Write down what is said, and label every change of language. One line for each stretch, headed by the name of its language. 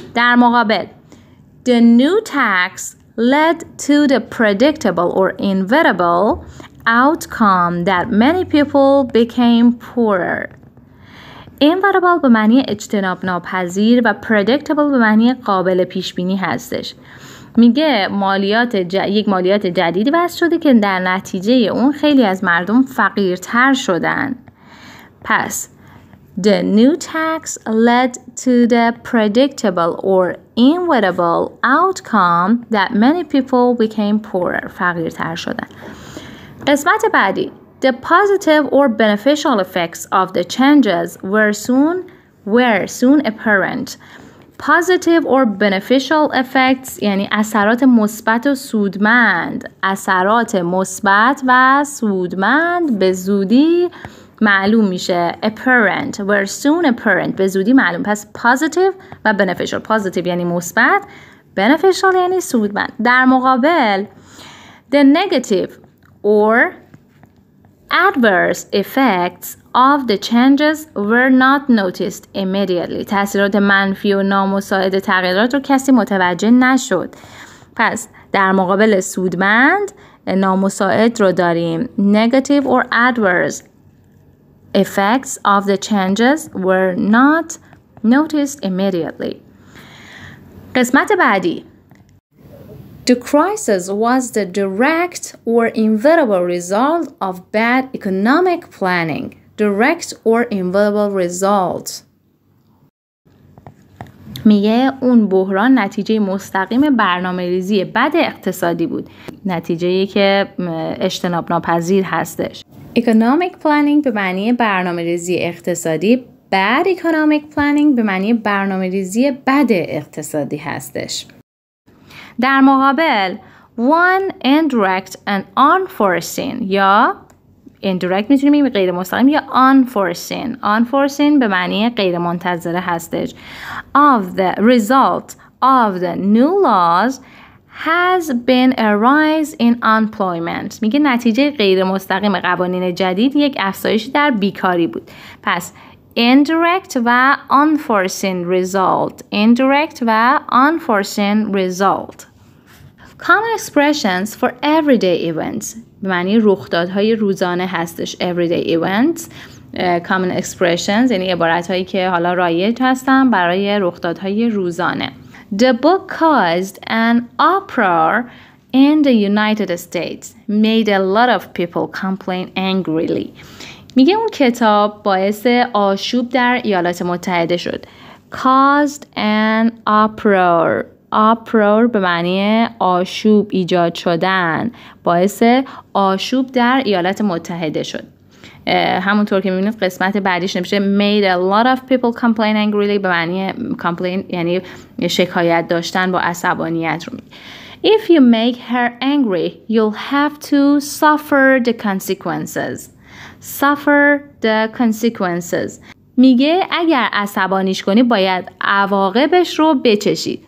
Persian: در مقابل
English: the new tax led to the predictable or inevitable outcome that many people became poorer.
Persian: Inevitable به معنی اجتناب ناپذیر و predictable به معنی قابل پیشبینی هستش. میگه یک مالیات جدید وضع شده که در نتیجه اون خیلی از مردم فقیرتر شدن.
English: پس The new tax led to the predictable or inevitable outcome that many people became poorer.
Persian: فقیرتر شدن. قسمت بعدی
English: The positive or beneficial effects of the changes were soon apparent. Positive or beneficial effects
Persian: یعنی اثرات مثبت و سودمند. اثرات مثبت و سودمند به زودی معلوم میشه.
English: apparent were soon apparent
Persian: به زودی معلوم. پس
English: positive و beneficial.
Persian: positive یعنی مثبت، beneficial یعنی سودمند. در مقابل
English: the negative or adverse effects of the changes were not noticed immediately.
Persian: تأثیرات منفی و نامساعد تغییرات رو کسی متوجه نشد. پس در مقابل سودمند نامساعد رو داریم.
English: negative or adverse effects of the changes were not noticed immediately.
Persian: قسمت بعدی
English: The crisis was the direct or inevitable result of bad economic planning. Direct or inevitable result.
Persian: میگه اون بحران نتیجه مستقیم برنامه ریزی بد اقتصادی بود. نتیجه‌ای که اجتناب ناپذیر هستش. Economic planning به معنی برنامه ریزی اقتصادی.
English: Bad economic planning
Persian: به معنی برنامه ریزی بد اقتصادی هستش. در مقابل
English: One indirect and unforeseen
Persian: یا indirect میتونیم بگیم غیر مستقیم یا unforeseen. Unforeseen به معنی غیر منتظره هستش.
English: Of the result of the new laws has been a rise in unemployment.
Persian: میگه نتیجه غیر مستقیم قوانین جدید یک افزایش در بیکاری بود.
English: پس indirect و unforeseen result. Indirect و unforeseen result. Common expressions for everyday events.
Persian: به معنی رخدادهای روزانه هستش.
English: Everyday events. Common expressions
Persian: یعنی عبارتهایی که حالا رایج هستن برای رخدادهای روزانه.
English: The book caused an uproar in the United States made a lot of people complain angrily.
Persian: میگه اون کتاب باعث آشوب در ایالات متحده شد.
English: Caused an uproar.
Persian: Uproar به معنی آشوب ایجاد شدن. باعث آشوب در ایالات متحده شد. همونطور که میبینید قسمت بعدیش نمیشه
English: made a lot of people complain angrily
Persian: به معنی complain یعنی شکایت داشتن با عصبانیت رو میگه.
English: If you make her angry, you'll have to suffer the consequences. Suffer the consequences.
Persian: میگه اگر عصبانیش کنی باید عواقبش رو بچشی.